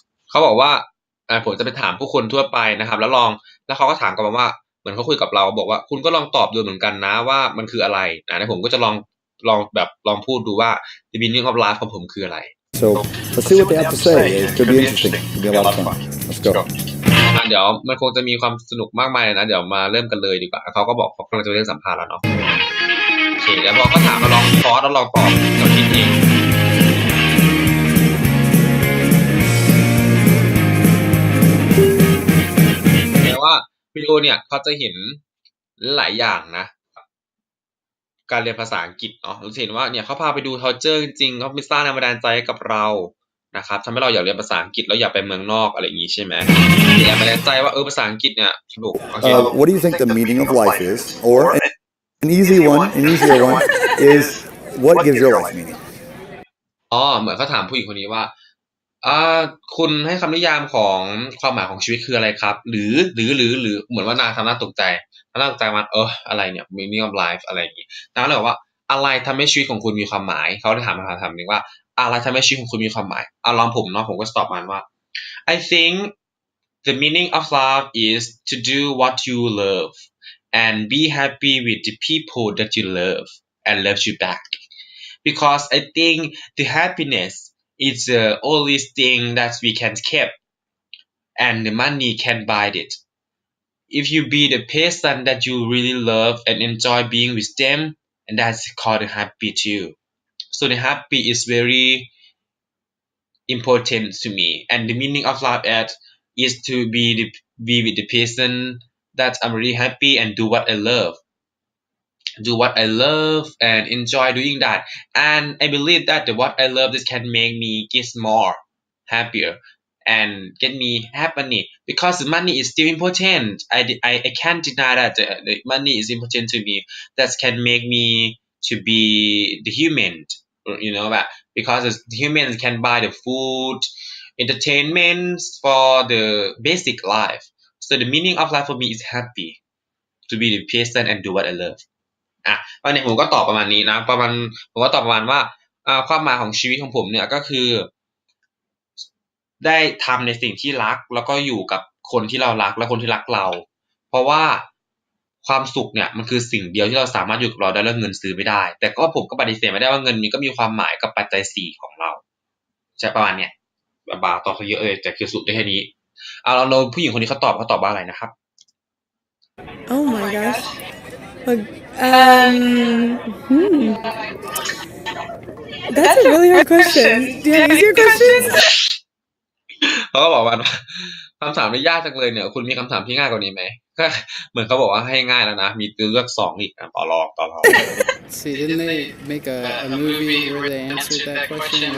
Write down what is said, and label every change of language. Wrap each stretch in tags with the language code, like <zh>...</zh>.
<th>เขาบอกว่าผมจะไปถามผู้คนทั่วไปนะครับแล้วเขาก็ถามกลับมาว่าเหมือนเขาคุยกับเราบอกว่าคุณก็ลองตอบดูเหมือนกันนะว่ามันคืออะไรนะผมก็จะลองพูดดูว่า</th> <en>the meaning of life</en> <th>ของผมคืออะไร</th> <en>so let's see what they have to say it could be interesting it'll be a lot of fun let's go</en> <th>เดี๋ยวมันคงจะมีความสนุกมากมายนะเดี๋ยวมาเริ่มกันเลยดีกว่าเขาก็บอกเขากำลังจะเริ่มสัมภาษณ์แล้วเนาะโอเคเดี๋ยวพอก็ถามลองพอสแล้วลองตอบเราคิดเอง เดี๋ยวว่าวิดีโอเนี่ยเขาจะเห็นหลายอย่างนะการเรียนภาษาอังกฤษเนาะเราเห็นว่าเนี่ยเขาพาไปดูทอร์เจอร์จริงๆเขาไปสร้างแรงบันดาลใจให้กับเรานะครับทำให้เราอยากเรียนภาษาอังกฤษแล้วอยากไปเมืองนอกอะไรอย่างงี้ใช่ไหมแรงบันดาลใจว่าภาษาอังกฤษเนี่ยสนุก</th> <en>What do you think the meaning of life is or an easier one is what gives your life meaning</en> <th>เหมือนเขาถามผู้หญิงคนนี้ว่าคุณให้คำนิยามของความหมายของชีวิตคืออะไรครับหรือเหมือนว่านาทำหน้าตกใจ ทำหน้าตกใจมาอะไรเนี่ย meaning of life อะไรอย่างงี้นางเลยบอกว่าอะไรทำให้ชีวิตของคุณมีความหมายเขาได้ถามคำถามนึงว่าอะไรทำให้ชีวิตของคุณมีความหมายเอาลองผมเนาะผมก็ตอบมันว่า</th> <en>I think the meaning of life is to do what you love and be happy with the people that you love and love you back because I think the happinessIt's the only thing that we can keep, and the money can buy it. If you be the person that you really love and enjoy being with them, and that's called happy too. So the happy is very important to me. And the meaning of life is to be with the person that I'm really happy and do what I love. Do what I love and enjoy doing that, and I believe that the what I love this can make me get more happier and get me happy because money is still important. I can't deny that the money is important to me. That can make me to be the human, you know, that because the humans can buy the food, entertainment for the basic life. So the meaning of life for me is happy, to be the person and do what I love.</en> <th>อ่ะวันนี้ผมก็ตอบประมาณนี้นะประมาณผมก็ตอบประมาณว่าความหมายของชีวิตของผมเนี่ยก็คือได้ทำในสิ่งที่รักแล้วก็อยู่กับคนที่เรารักและคนที่รักเราเพราะว่าความสุขเนี่ยมันคือสิ่งเดียวที่เราสามารถอยู่กับเราได้แล้วเงินซื้อไม่ได้แต่ก็ผมก็ปฏิเสธไม่ได้ว่าเงินมันก็มีความหมายกับปัจจัย4ของเราใช่ประมาณเนี้ยบาตอบเขาเยอะเลยแต่คือสุดแค่นี้เอาเราผู้หญิงคนนี้เขาตอบว่าอะไรนะครับ</th> <en>Oh my gosThat's a really hard question. Do you have easier questions?</en> <th>เขาก็บอกว่าคำถามไม่ยากจังเลยเนี่ยคุณมีคำถามที่ง่ายกว่านี้ไหมก็เหมือนเขาบอกว่าให้ง่ายแล้วนะมีตัวเลือกสองอีกต่อรอง</th> <en>See, didn't they make a movie where they answered that question?</en>